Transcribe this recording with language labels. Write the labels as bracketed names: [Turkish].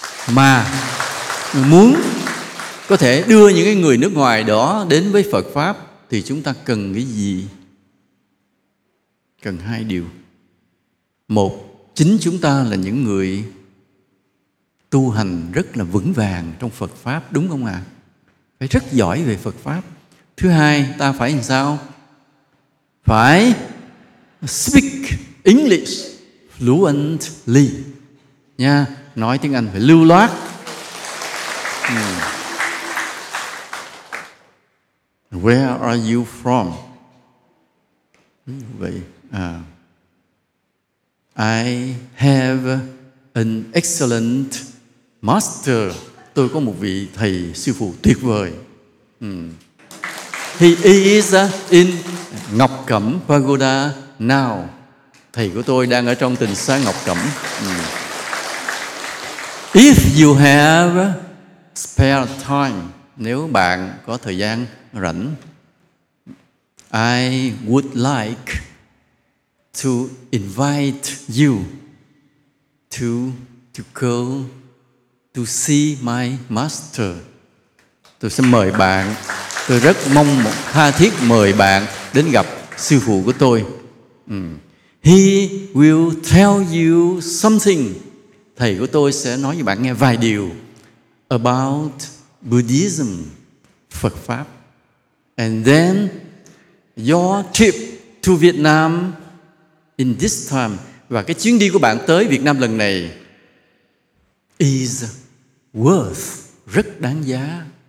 [Vietnamese] Mà muốn có thể đưa những cái người nước ngoài đó đến với Phật Pháp thì chúng ta cần cái gì? Cần hai điều. Một, chính chúng ta là những người tu hành rất là vững vàng trong Phật Pháp, đúng không ạ? Phải rất giỏi về Phật Pháp. Thứ hai, ta phải làm sao? Phải [English] speak English fluently. [Vietnamese] Nha, nói tiếng Anh phải lưu loát. [English] Where are you from? [Vietnamese] Vậy, [English] I have an excellent master. [Vietnamese] Tôi có một vị thầy sư phụ tuyệt vời. [English] He is in Ngọc Cẩm Pagoda now. [Vietnamese] Thầy của tôi đang ở trong tình xá Ngọc Cẩm. [English] If you have spare time, [Vietnamese] nếu bạn có thời gian rảnh, [English] I would like to invite you to go to see my master. [Vietnamese] Tôi sẽ mời bạn, tôi rất mong tha thiết mời bạn đến gặp sư phụ của tôi. [English] He will tell you something. [Vietnamese] Thầy của tôi sẽ nói với bạn nghe vài điều [English] about Buddhism, [Vietnamese] Phật Pháp. [English] And then your trip to Vietnam in this time, [Vietnamese] và cái chuyến đi của bạn tới Việt Nam lần này, [English] is worth, [Vietnamese] rất đáng giá.